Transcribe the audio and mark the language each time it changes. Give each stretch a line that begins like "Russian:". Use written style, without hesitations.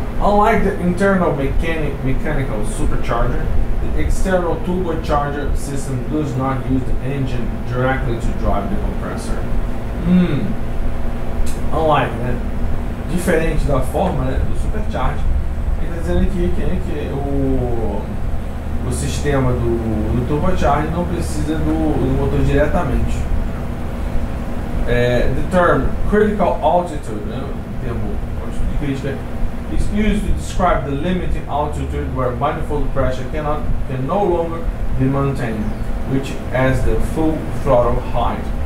English: Unlike the internal mechanical supercharger, the external turbocharger system does not use the engine directly to drive the compressor. Unlike, né?
Portuguese: Diferente da forma, né, do supercharge, ele está dizendo aqui que o sistema do turbocharge não precisa do motor diretamente.
English: The term critical altitude,
Portuguese: né, termo de crítica,
English: is used to describe the limiting altitude where manifold pressure can no longer be maintained, which as the full throttle height.